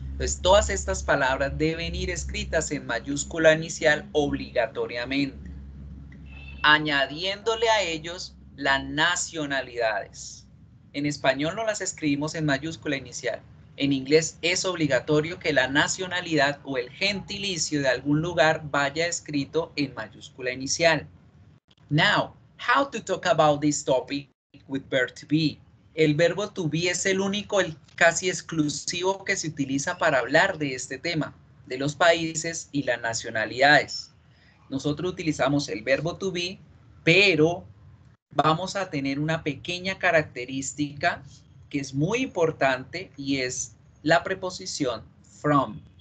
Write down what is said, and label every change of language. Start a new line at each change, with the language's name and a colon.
Spanish: Entonces, todas estas palabras deben ir escritas en mayúscula inicial obligatoriamente, añadiéndole a ellos las nacionalidades. En español no las escribimos en mayúscula inicial. En inglés es obligatorio que la nacionalidad o el gentilicio de algún lugar vaya escrito en mayúscula inicial.
English: Now, how to talk about this topic with verb to be?
Spanish: El verbo to be es el único, el casi exclusivo que se utiliza para hablar de este tema, de los países y las nacionalidades. Nosotros utilizamos el verbo to be, pero vamos a tener una pequeña característica que es muy importante y es la preposición from.